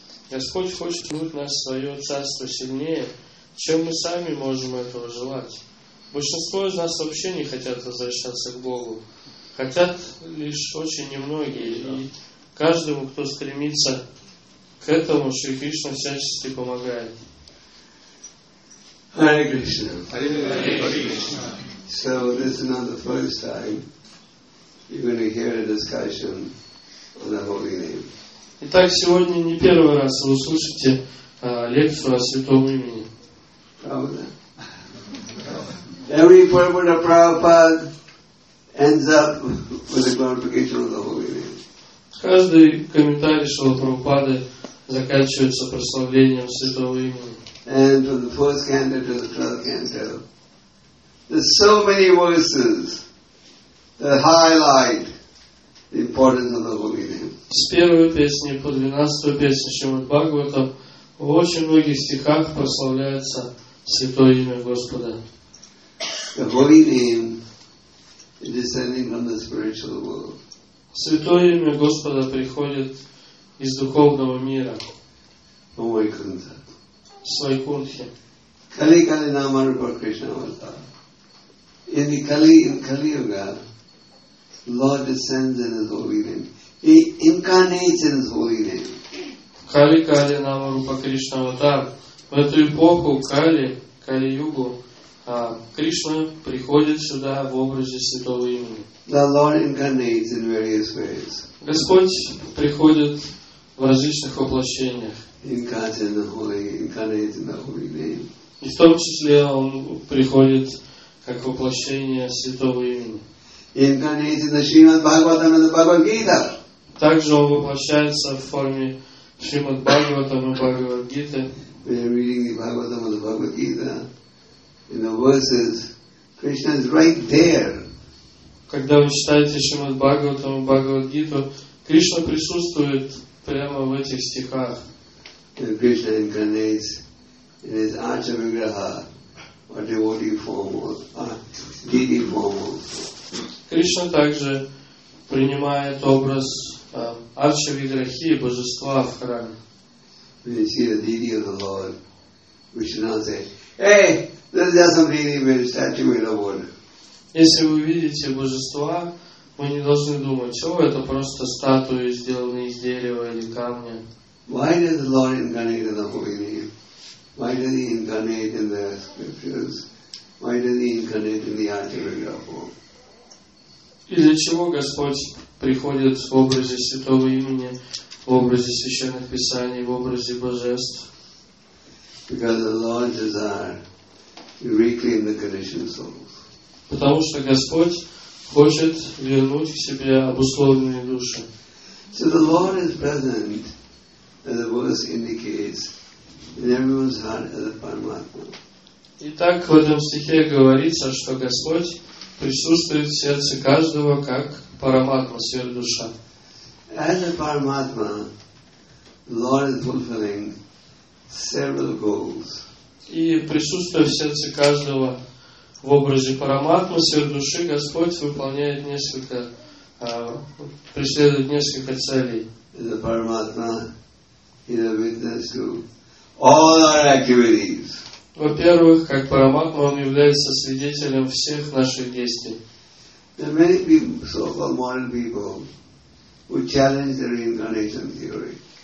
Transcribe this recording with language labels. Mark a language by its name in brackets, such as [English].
[Russian] Господь хочет вернуть нас в свое царство сильнее, чем мы сами можем этого желать. Большинство из нас вообще не хотят возвращаться к Богу. Хотят лишь очень немногие. И каждому, кто стремится к этому, Шри Кришна всячески помогает. [Sanskrit] Hare Krishna. Hare Krishna. [English] So this is not the first time you're going to hear a discussion on the Holy Name. [Russian] Итак, сегодня не первый раз вы услышите лекцию о святом имени. [English] Every purport of Prabhupada ends up with a glorification of the Holy Name. [Russian] Каждый комментарий Шрилы Прабхупады заканчивается прославлением святого имени. [English] And from the fourth canto to the 12th canto, there's so many verses that highlight the importance of the Holy Name. [Russian] С первой песни по двенадцатую песню Шримад-Бхагаватам в очень многих стихах прославляется святое имя Господа. [English] The Holy Name is descending from the spiritual world. [Russian] Святое имя Господа приходит из духовного мира. Вайкунтха. С Вайкунтхи. [Sanskrit] Кали Кали Нама Рупа Кришна Аватара. [English] In the Kali, in Kali Yuga, Lord descends in His Holy Name. He incarnates in His Holy Name. [Sanskrit] Kali Kali Nama Rupa Krishna Avatar. [Russian] В эту эпоху Кали, Кали-югу, Кришна приходит сюда в образе святого имени. [English] The Lord incarnates in various ways. [Russian] Господь приходит в различных воплощениях. [English] Incarnates in the Holy Name. [Russian] И в том числе Он приходит как воплощение святого имени. [English] Incarnates in the Srimad Bhagavatam and the Bhagavad Gita. [Russian] Также Он воплощается в форме Шримад Бхагаватам и Бхагавад Гиты. [English] We are reading the Bhagavatam and the Bhagavad Gita. In the verses, Krishna is right there. [Russian] Когда вы читаете Шримад Бхагаватам и Бхагавад Гиту, Кришна присутствует прямо в этих стихах. [English] And Krishna incarnates in His Acharya-vigraha, or devotee form, or deity form. [Russian] Кришна также принимает образ Арчавиграхи, божества в храме. [English] When you see the deity of the Lord, we should not say, hey, this is just a deity with a statue in the wood. [Russian] Если вы видите божества, мы не должны думать, о, это просто статуи, сделанные из дерева или камня. [English] Why does the Lord incarnate in the Holy Name? Why does He incarnate in the scriptures? Why does He incarnate in the Arjavigraha form? [Russian] И для чего Господь приходит в образе Святого Имени, в образе Священных Писаний, в образе Божеств? Потому что Господь хочет вернуть к себе обусловленные души. [English] So the Lord is present, as the verse indicates, in everyone's heart as a Paramatma. [Russian] Итак, в этом стихе говорится, что Господь присутствует в сердце каждого как Параматма, Сверхдуша. [English] As a Paramatma, the Lord is fulfilling several goals. [Russian] И присутствуя в сердце каждого в образе Параматмы, Сверхдуши, Господь выполняет несколько, преследует несколько целей. [English] As a Paramatma, he is a witness to all our activities. [Russian] Во-первых, как Параматма, он является свидетелем всех наших действий. [English] There are many people, so-called modern people, who challenge the reincarnation theory.